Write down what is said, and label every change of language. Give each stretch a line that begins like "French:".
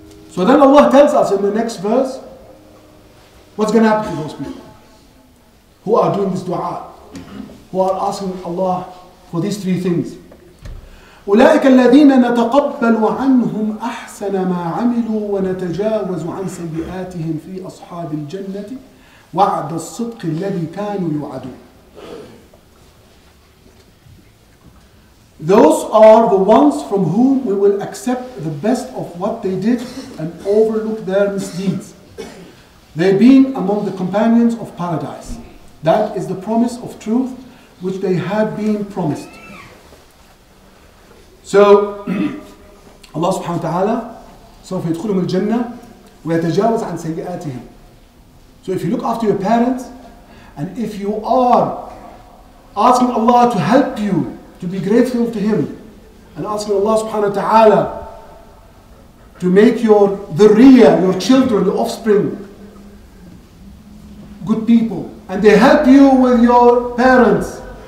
English: So then Allah tells us in the next verse, what's going to happen to those people who are doing this dua, who are asking Allah for these three things?
Arabic: أولئك الذين نتقبل عنهم أحسن ما عملوا ونتجاوز عن سيئاتهم في أصحاب الجنة وعد الصدق الذي كانوا يوعدون.
English: Those are the ones from whom we will accept the best of what they did and overlook their misdeeds. They being among the companions of paradise. That is the promise of truth which they had been promised.
Arabic: So, Allah subhanahu wa ta'ala, سوف يدخلهم الجنة ويتجاوز عن سيئاتهم.
English: So if you look after your parents, and if you are asking Allah to help you, to be grateful to Him, and asking Allah subhanahu wa ta'ala to make your dhurriya, your children, your offspring, good people, and they help you with your parents.